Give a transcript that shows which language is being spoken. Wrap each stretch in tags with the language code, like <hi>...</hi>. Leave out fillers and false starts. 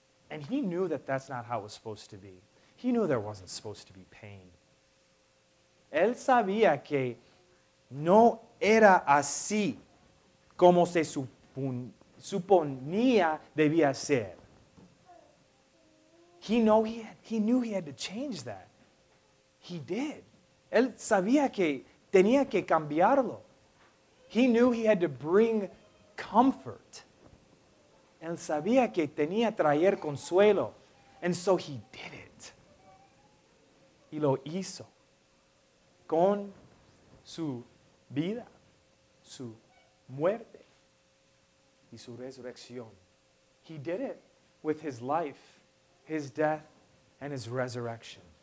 <en>And he knew that that's not how it was supposed to be. He knew there wasn't supposed to be pain.</en> <es>Él sabía que no era así como se suponía debía ser.</es> <en>He knew he had to change that. He did.</en> <es>Él sabía que tenía que cambiarlo.</es> <en>He knew he had to bring comfort.</en> <es>Él sabía que tenía traer consuelo.</es> <en>And so he did it.</en> <es>Y lo hizo. Con su vida, su muerte y su resurrección.</es> <en>He did it with his life, his death, and his resurrection.</en>